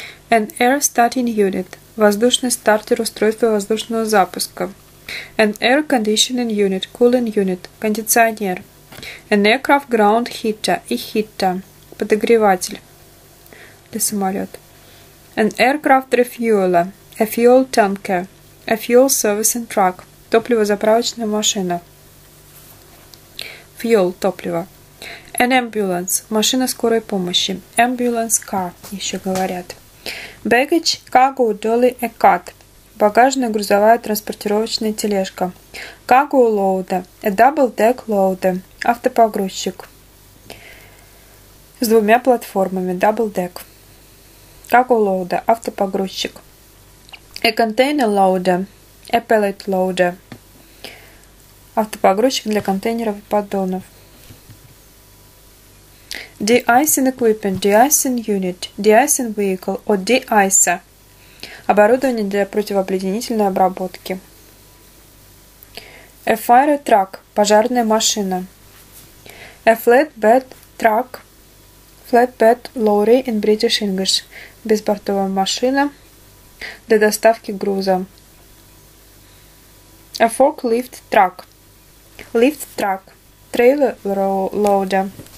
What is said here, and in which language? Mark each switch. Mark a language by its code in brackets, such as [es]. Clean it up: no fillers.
[ru] An air starting unit, воздушный стартер устройства воздушного запуска. [en] An air conditioning unit, cooling unit, кондиционер. An aircraft ground heater, e-heater, подогреватель для самолета. An aircraft refueler, a fuel tanker, A fuel servicing truck. [ru] Топливозаправочная машина. Fuel – топливо. An ambulance – машина скорой помощи. Ambulance car – еще говорят. [en] Baggage – cargo, dolly, a cart. [ru] Багажная грузовая транспортировочная тележка. [en] Cargo loader – a double-deck loader. [ru] Автопогрузчик с двумя платформами. [en] Double-deck. Cargo loader – автопогрузчик. A container loader – a pallet loader. [ru] Автопогрузчик для контейнеров и поддонов. [en] De-icing equipment, de-icing unit, de-icing vehicle, or de-icer. [ru] Оборудование для противообледенительной обработки. [en] A fire truck, пожарная машина. A flatbed truck, flatbed lorry in British English, [ru] безбортовая машина для доставки груза. [en] A forklift truck, lift truck, trailer loader.